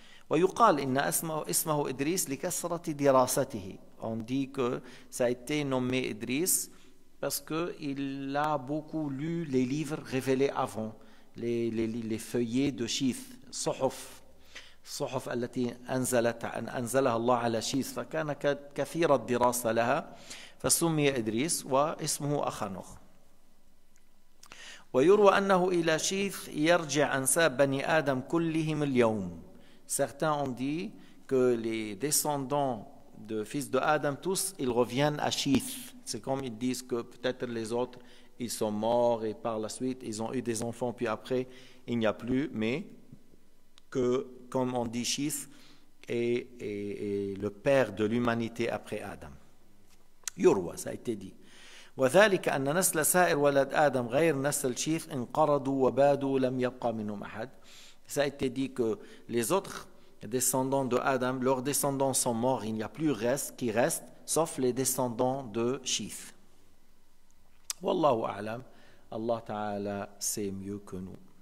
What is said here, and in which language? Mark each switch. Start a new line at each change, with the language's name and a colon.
Arabic: ويقال إن اسمه إدريس لكثرة دراسته.
French: On dit que ça a été nommé Idris parce qu'il a beaucoup lu les livres révélés avant, les feuillets de Chif,
Arabic: صحف التي أنزلها الله على شيف, فكان كثير الدراسة لها, فسمي إدريس واسمه أخنوخ. ويروى أنه إلى شيف يرجع أنساب بني آدم كلهم اليوم.
French: Certains ont dit que les descendants de fils de Adam tous, ils reviennent à Chif. C'est comme ils disent que peut-être les autres, ils sont morts et par la suite, ils ont eu des enfants, puis après, il n'y a plus, mais que, comme on dit, Chif est le père de l'humanité après Adam. Yurwa, ça a été dit.
Arabic: وذلك أن نسل سائر ولد آدم غير نسل شيف انقرضوا وبادوا لم يبقى منهم أحد.
French: Ça a été dit que les autres descendants de Adam, leurs descendants sont morts, il n'y a plus reste qui reste. Sauf les descendants de Chif.
Arabic: Wallahu a'lam,
French: Allah Ta'ala sait mieux que nous.